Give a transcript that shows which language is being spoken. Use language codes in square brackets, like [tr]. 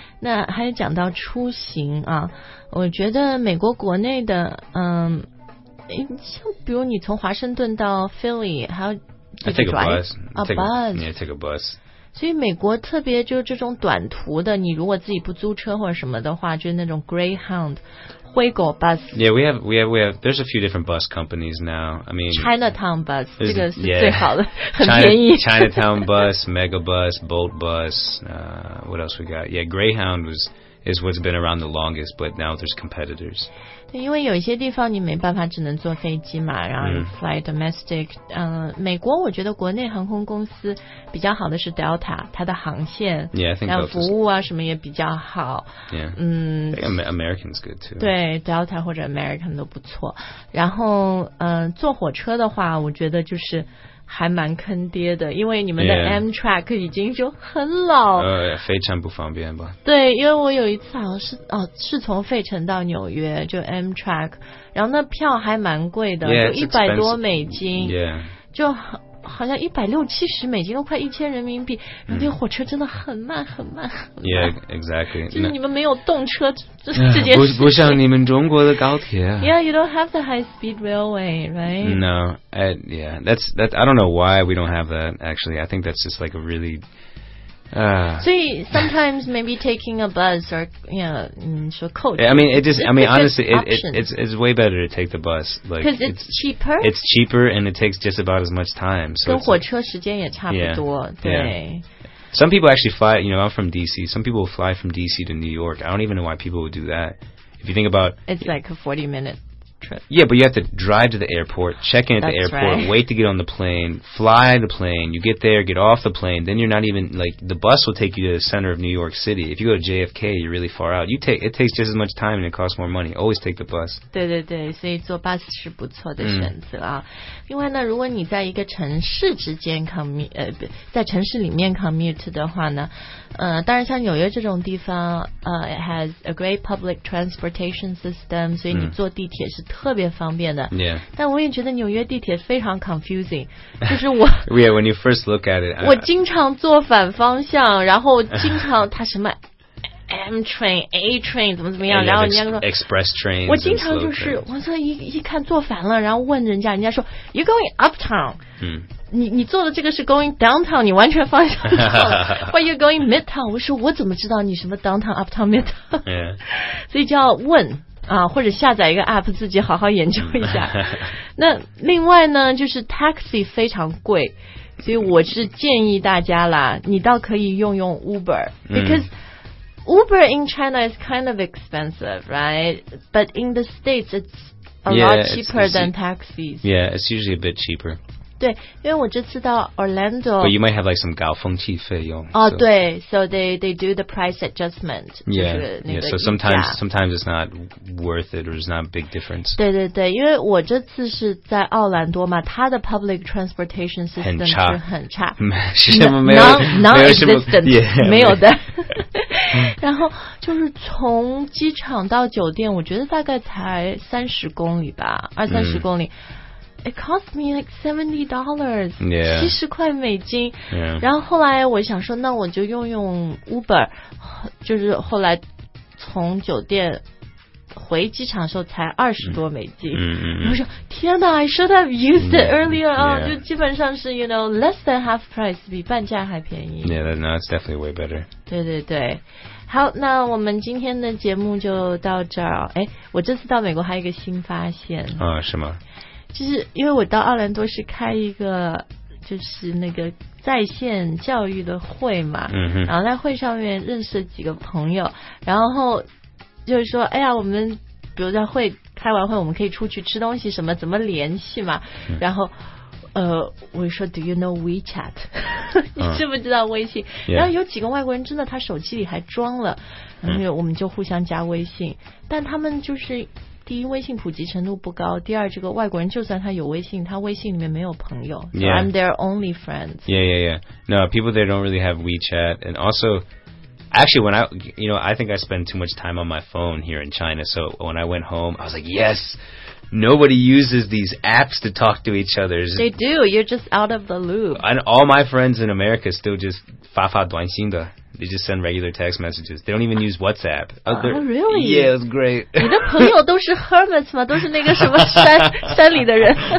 [zh] 那还讲到出行啊，我觉得美国国内的像比如你从华盛顿到 Philly, 还有 [en] take a bus. [zh] 所以美国特别就是这种短途的，你如果自己不租车或者什么的话，就是那种 Greyhound。灰狗 bus. [en] Yeah, we have. There's a few different bus companies now. I mean, Chinatown bus. [zh] 这个是 [en] yeah, [zh] 最好的，很便宜。 [en] Chinatown bus, Mega bus, Bolt bus. What else we got? Yeah, Greyhound is what's been around the longest, but now there's competitors. [zh] 对，因为有一些地方你没办法，只能坐飞机嘛，然后 [en] fly domestic. [zh] 美国我觉得国内航空公司比较好的是 Delta, 它的航线， [en] yeah, I think [zh] 然后服务啊什么也比较好。 [en] Yeah. American's good too. [zh] 对 ，Delta 或者 American 都不错。然后，坐火车的话，我觉得就是。还蛮坑爹的，因为你们的 Amtrak 已经就很老，非常不方便吧？对，因为我有一次好像是是从费城到纽约就 Amtrak, 然后那票还蛮贵的，有$100多， [en] yeah. [zh] 就好像160-170美金，都快1000人民币。然后那火车真的很慢很慢很慢。 [en] Yeah, exactly. [zh] 就是你们没有动车这件事情。不像你们中国的高铁。 [en] Yeah, you don't have the high speed railway, right? No, that's I don't know why we don't have that. Actually, I think that's just like a really. So sometimes maybe taking a bus or so coach. Yeah, I mean, it's way better to take the bus. Like, because it's cheaper. It's cheaper and it takes just about as much time. So [zh] 跟火车时间也差不多。 [en] Yeah, [zh] 对。 [en] Yeah. Some people actually fly. You know, I'm from DC. Some people fly from DC to New York. I don't even know why people would do that. If you think about, it's like a 40-minute trip. Yeah, but you have to drive to the airport, check in at That's the airport, right. wait to get on the plane, fly the plane, you get there, get off the plane, then you're not even, like, the bus will take you to the center of New York City. If you go to JFK, you're really far out. It takes just as much time and it costs more money. Always take the bus. [zh] 对对对，所以坐 bus 是不错的选择啊。另外呢，如果你在一个城市之间 在城市里面 commute 的话呢，当然像纽约这种地方， [en] it has a great public transportation system, [zh] 所以你坐地铁是特别方便的。 [en] Yeah. [zh] 但我也觉得纽约地铁非常 confusing, 就是我。 [en] Yeah, when you first look at it. [zh] 我经常坐反方向，然后经常它什么 M train A train 怎么怎么样，然后人家说 [en] Express train， [zh] 我经常就是我说一看坐反了，然后问人家，人家说 [en] You going uptown、 [zh] 嗯、你坐的这个是 [en] going downtown， [zh] 你完全方向错了。 [en] Why you going midtown， [zh] 我说我怎么知道你什么 [en] downtown uptown midtown、 yeah. [zh] 所以就要问啊，或者下载一个 app 自己好好研究一下。那另外呢，就是 taxi 非常贵，所以我是建议大家啦，你倒可以用用 Uber、嗯、 [en] because Uber in China is kind of expensive, right? But in the States, it's a yeah, lot cheaper than taxis. Yeah, it's usually a bit cheaper. [zh] 对，因为我这次到 Orlando. [en] But you might have like some [zh] 高峰期费用。哦，对， [en] so they do the price adjustment. Yeah, yeah. So sometimes it's not worth it, or it's not a big difference. [zh] 对对对，因为我这次是在奥兰多嘛，它的 [en] public transportation system [zh] 很差，是很差，是什么没有 [en] non-existent， [zh] 没有的。 [en] yeah, [zh] 然后就是从机场到酒店，我觉得大概才30公里吧，二三十公里。 [en] It cost me like $70, [zh] 70块美金。 [en] Yeah. [zh] 然后后来我想说，那我就用 Uber， 就是后来从酒店回机场的时候才20多美金。嗯、我说天哪 ， [en] I should have used it earlier [zh] 啊、就基本上是 [en] you know less than half price， [zh] 比半价还便宜。 [en] Yeah, no, it's definitely way better. [zh] 对对对。好，那我们今天的节目就到这儿。哎，我这次到美国还有一个新发现。啊、是吗？就是因为我到奥兰多是开一个就是那个在线教育的会嘛，嗯，然后在会上面认识了几个朋友，然后就是说哎呀，我们比如在会开完会我们可以出去吃东西什么，怎么联系嘛，然后我说 [en] Do you know WeChat？ [zh] 你知不知道微信、 [en] yeah. [zh] 然后有几个外国人真的他手机里还装了，然后我们就互相加微信、嗯、但他们就是第一微信普及程度不高，第二这个外国人就算他有微信他微信里面没有朋友、 [en] yeah. So I'm their only friend. Yeah, yeah, yeah. No, people there don't really have WeChat. And also actually when I, you know, I think I spend too much time on my phone here in China. So when I went home I was like, yes, nobody uses these apps to talk to each other. They do, you're just out of the loop. And all my friends in America still just [zh] 发发短信的。 [en] They just send regular text messages. They don't even use WhatsApp. Oh, really? Yeah, it was great. [zh] 你的朋友都是 hermits 吗？都是那个什么山里的人。